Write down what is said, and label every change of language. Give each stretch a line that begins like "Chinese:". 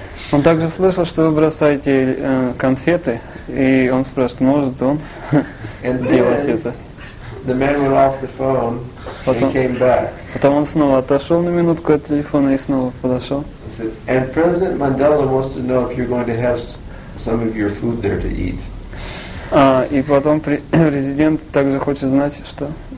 Russian: Он также слышал, что вы бросаете конфеты, и он спрашивает, может он делать это.
English: The man went off the phone and came back.
Russian: Потом он снова отошел на минутку от телефона и снова подошел.
English: And President Mandela wants to know if you're going to have some of your food there to eat.
Russian: И потом президент также хочет знать, что...